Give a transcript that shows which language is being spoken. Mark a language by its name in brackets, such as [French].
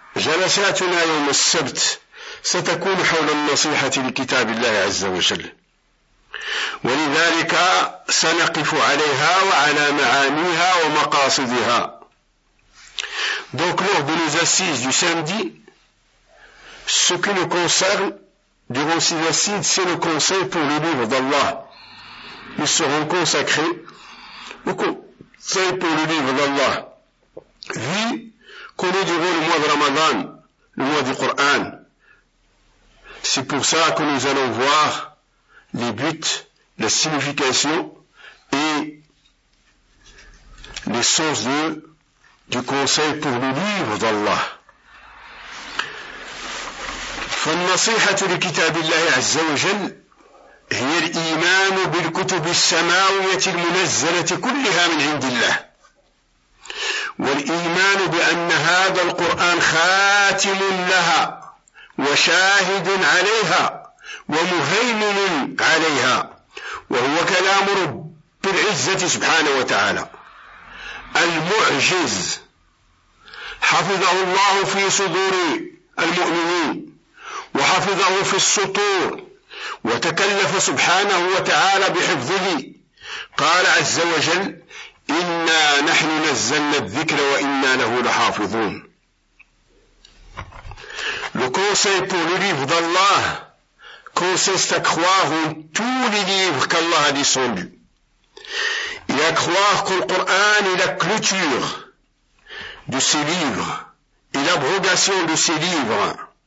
[Arabic] جلساتنا يوم السبت ستكون حول النصيحة لكتاب الله عز وجل، ولذلك سنقف عليها وعلى معانيها ومقاصدها. [French] Donc lors de nos assises du samedi, ce qui nous concerne durant ces assises, c'est le conseil pour le livre d'Allah. Ils seront consacrés beaucoup. C'est pour le livre d'Allah. Vu qu'on est durant le mois de Ramadan, le mois du Coran, c'est pour ça que nous allons voir les buts, la signification et les sens du conseil pour le livre d'Allah. [Arabic] فالنصيحة لكتاب الله عز وجل هي الإيمان بالكتب السماوية المنزلة كلها من عند الله، والإيمان بأن هذا القرآن خاتم لها وشاهد عليها ومهيمن عليها، وهو كلام رب العزة سبحانه وتعالى المعجز حفظه الله في صدور المؤمنين وحفظه في السطور وتكلف سبحانه وتعالى بحفظه. قال عز وجل إنا نحن نزلنا الذكر وإنا له لحافظون. [French] Le conseil pour le livre d'Allah consiste à croire en tous les livres qu'Allah a descendus et à croire que le Coran est la clôture de ces livres et l'abrogation de ces livres.